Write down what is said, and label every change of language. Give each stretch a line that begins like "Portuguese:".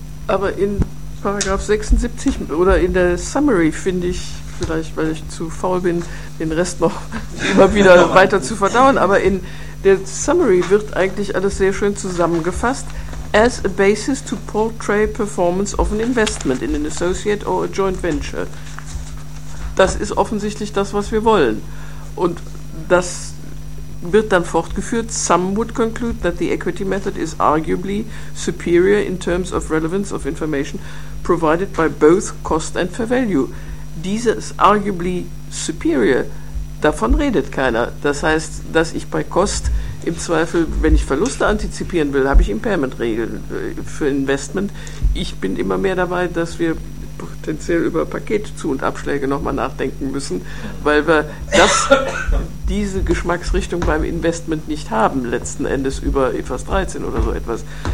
German: Aber in Paragraph 76 oder in der Summary finde ich, vielleicht weil ich zu faul bin, den Rest noch immer wieder weiter zu verdauen, aber in der Summary wird eigentlich alles sehr schön zusammengefasst:
English: as a basis to portray performance of an investment in an associate or a joint venture.
German: Das ist offensichtlich das, was wir wollen. Und das wird dann fortgeführt:
English: some would conclude that the equity method is arguably superior in terms of relevance of information provided by both cost and fair value.
German: Dieses arguably superior, davon redet keiner. Das heißt, dass ich bei Cost im Zweifel, wenn ich Verluste antizipieren will, habe ich Impairment-Regeln für Investment. Ich bin immer mehr dabei, dass wir potenziell über Paketzu- und Abschläge nochmal nachdenken müssen, weil wir diese Geschmacksrichtung beim Investment nicht haben, letzten Endes über IFRS 13 oder so etwas.